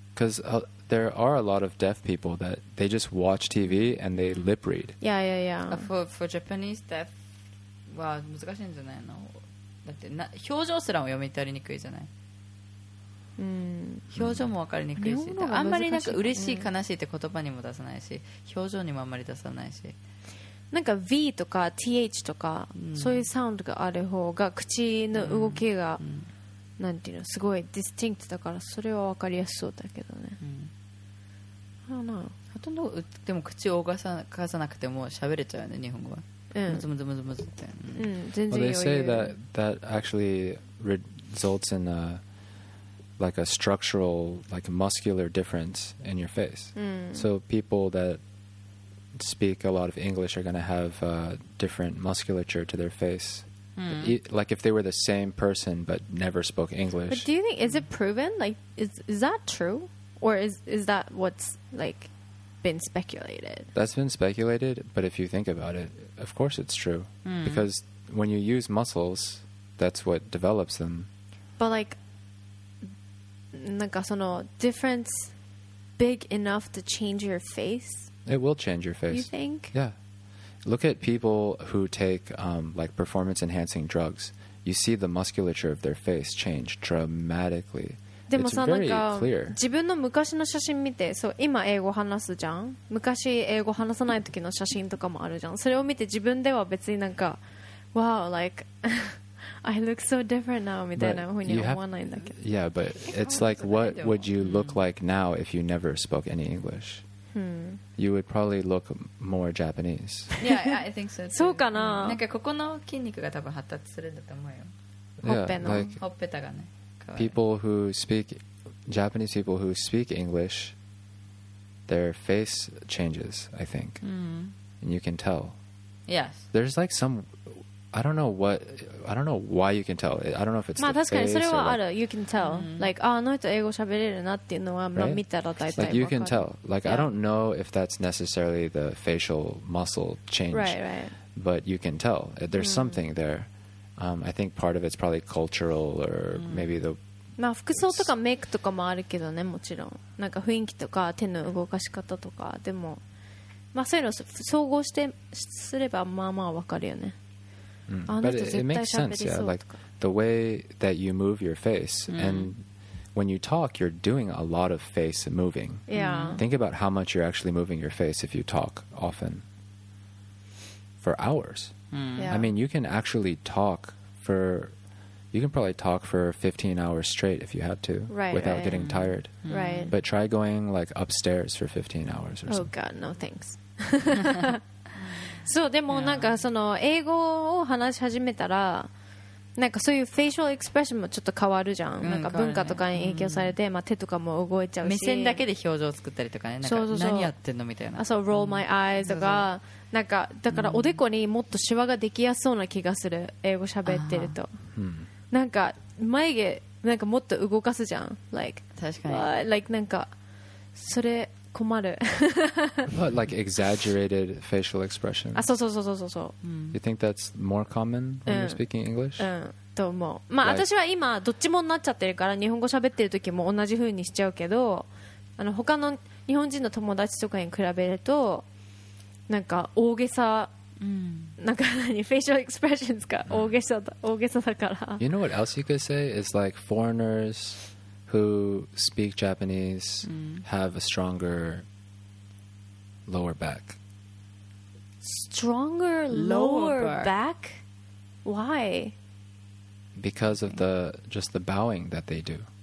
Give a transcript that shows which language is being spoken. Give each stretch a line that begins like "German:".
English: Because there are a lot of deaf people that they just watch TV and they lip read. Yeah. For Japanese deaf,
Japanese: は難しいんじゃないの？だって表情すらも読み取りにくいじゃない。表情も分かりにくいし、あんまりなんか嬉しい悲しいって言葉にも出さないし、表情にもあんまり出さないし、なんか V とか TH とか、そういうサウンドがある方が口の動きが、なんていうの、すごいディスティンクトだから、それは分かりやすそうだけどね。ほとんどでも口を動かさなくても喋れちゃうよね、日本語は。むずむずって、全然余裕。
English: Well, they say that actually results in aLike a structural, like a muscular difference in your face. So people that speak a lot of English are going to have different musculature to their face. Like if they were the same person but never spoke English. But do you think, is it proven? Like, is that true? Or is that what's like been speculated? That's been speculated, but if you think about it, of course it's true. Because when you use muscles, that's what develops them. But like...
Japanese: なんかその
English: difference big enough to change your face? It will change your face. You think? Yeah. Look at people who take like performance enhancing drugs. You see the musculature of their face change dramatically.
Japanese: でもさ、なんか自分の昔の写真見て、そう、今英語話すじゃん。昔英語話さない時の写真とかもあるじゃん。それを見て自分では別になんか、
English: wow, like... I look so different now,
Japanese: みたいなふうに思わないんだけど。
English: Yeah, but it's like, what would you look like now if you never spoke any English? You would probably look more Japanese. Yeah, I think so too.
Japanese: そうかな。なんかここの筋肉が多分発達するんだと思うよ。ほっぺたがね。
English: Japanese people who speak English, their face changes, I think. And you can tell. Yes. There's like some... I don't know why you can tell. I don't know if it's the face. Or like, you can tell. Like, ah, no, it's English. I can't tell. Like, you can tell. Like, I don't know if that's necessarily the facial muscle change. Right. But you can tell. There's something there. I think part of it's probably cultural or maybe the.
Japanese: まあ、服装とかメイクとかもあるけどね、もちろん。なんか雰囲気とか手の動かし方とかでも、まあそういうの総合してすればまあまあわかるよね。
English: But it makes sense, yeah. Like the way that you move your face, and when you talk, you're doing a lot of face moving. Yeah. Think about how much you're actually moving your face if you talk often. for hours. Yeah. I mean, you can actually talk for, you can probably talk for 15 hours straight if you had to, right, without right. getting tired. Mm. Right. But try going like upstairs for 15 hours or oh, something. Oh God, no thanks.
Japanese: そう、でもなんかその英語を話し始めたらなんかそういうフェイシャルエクスプレッションもちょっと変わるじゃん、うん、なんか文化とかに影響されて、うん、まあ手とかも動いちゃうし目線だけで表情を作ったりとかね、なんか何やってんのみたいな、そう、
English: roll my eyes
Japanese: とか、なんかだからおでこにもっとシワができやすそうな気がする英語喋ってると、うん、なんか眉毛なんかもっと動かすじゃん、like、確かに、 like、なんかそれ困る。
English: But like exaggerated facial expression.
Japanese: あ、そうそうそうそうそうそう。
English: You think that's more common when you're speaking English?
Japanese: うん、と思う。まあ、私は今どっちもになっちゃってるから日本語喋ってる時も同じ風にしちゃうけど、あの他の日本人の友達とかに比べるとなんか大げさ、なんか何、facial expressions か大げさだ、大げさだから。
English: You know what else you could say is like foreigners. Who speak Japanese have a stronger lower back. Stronger lower back? Why? Because of the just the bowing that they do.